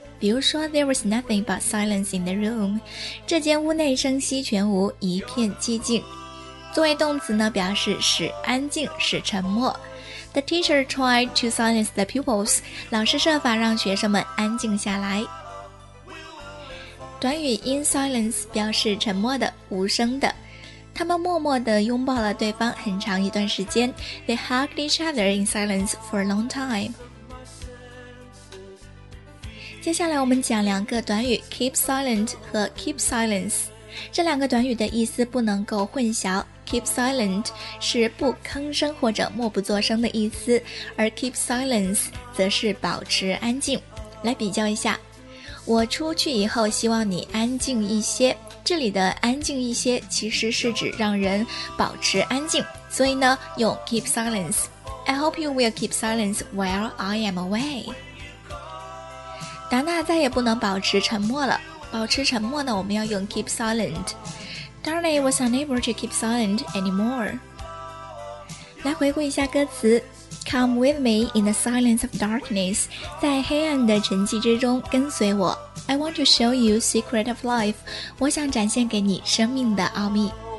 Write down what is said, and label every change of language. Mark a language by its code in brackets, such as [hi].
[zh] 比如说 [en] ,there was nothing but silence in the room. [zh] 这间屋内声息全无，一片寂静。作为动词呢，表示使安静、使沉默。 [en] The teacher tried to silence the pupils. [zh] 老师设法让学生们安静下来。短语 in silence 表示沉默的、无声的。他们默默地拥抱了对方很长一段时间。 [en] They hugged each other in silence for a long time. [zh] 接下来我们讲两个短语 keep silent 和 keep silence。这两个短语的意思不能够混淆。Keep silent 是不吭声或者默不作声的意思，而 keep silence 则是保持安静。来比较一下。我出去以后希望你安静一些，这里的安静一些其实是指让人保持安静，所以呢用 keep silence。 [en] I hope you will keep silence while I am away。 [zh] 达娜再也不能保持沉默了，保持沉默呢我们要用 keep silent。 [en] Darnay was unable to keep silent anymore。 [zh] 来回顾一下歌词。 [en] Come with me in the silence of darkness. [zh] 在黑暗的沉寂之中跟随我。 [en] I want to show you secret of life. [zh] 我想展现给你生命的奥秘。